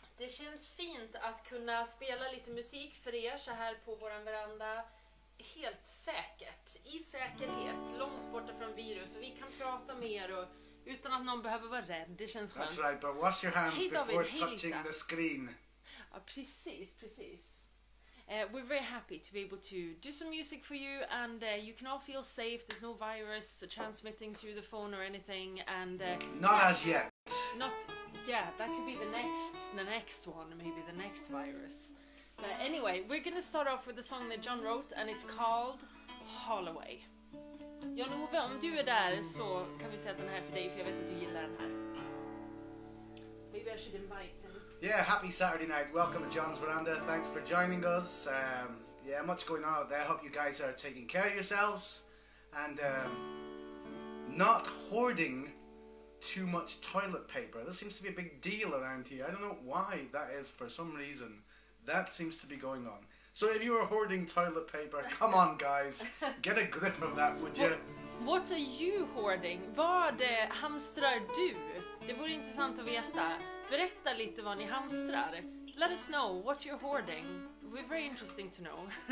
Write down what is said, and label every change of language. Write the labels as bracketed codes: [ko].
[sv] Det känns fint att kunna spela lite musik för er så här på våran veranda. Helt säkert, i säkerhet, långt borta från virus. Och vi kan prata med er och, utan att någon behöver vara rädd. Det känns skönt. [en] That's right, but wash your hands before touching the screen. [sv] Ja, precis, precis. [en] We're very happy to be able to do some music for you. And you can all feel safe. There's no virus transmitting through the phone or anything. And Not as yet. Yeah, that could be the next one, maybe the next virus. But anyway, we're going to start off with a song that John wrote, and it's called Holloway. [sv] Jan-Ove, om du är där så kan vi säga den här för dig, för jag vet att du gillar den här. [en] Maybe I should invite him. Yeah, happy Saturday night. Welcome to John's Veranda. Thanks for joining us. Yeah, much going on out there. Hope you guys are taking care of yourselves. And not hoarding too much toilet paper. This seems to be a big deal around here. I don't know why that is, for some reason that seems to be going on. So if you are hoarding toilet paper, come on guys, get a grip of that, would you? What are you hoarding? [sv] Vad hamstrar du? Det vore intressant att veta. Berätta lite vad ni hamstrar. [en] Let us know what you're hoarding. It would be very interesting to know.